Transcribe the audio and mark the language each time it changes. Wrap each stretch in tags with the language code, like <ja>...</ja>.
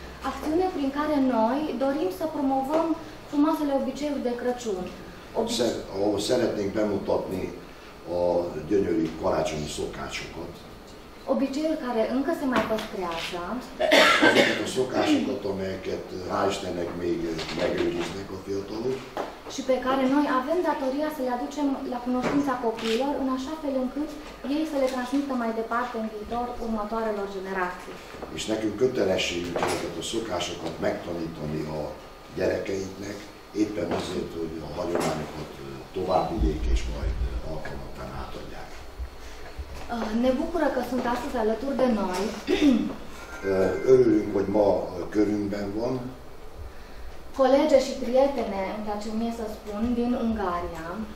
<ro>Acțiune prin care noi dorim să promovăm frumoasele obiceiuri de Crăciun.</ro> <hu>Szeretnénk bemutatni a gyönyörű karácsonyi szokásokat.</hu> <ro>Obiceiul care încă se mai păstrează.</ro> <hu>A szokásokat, amelyeket hál' Istennek még megőriznek a fiatalok.</hu> <ro>Și pe care noi avem datoria să le aducem la cunoștința copiilor în așa fel încât ei să le transmită mai departe în viitor următoarelor generații.</ro> <hu>És nekünk kötelességünk ezeket a szokásokat megtanítani a gyerekeinknek, éppen azért, hogy a hagyományokat tovább vigyék és majd alkalmatán átadják.</hu> <ro>Ne bukura, că sunt astăzi alături de noi.</ro> <hu>Örülünk, hogy ma körünkben van.</hu> <ro>Colege și prietene, îmi place mie să spun, din Ungaria.</ro>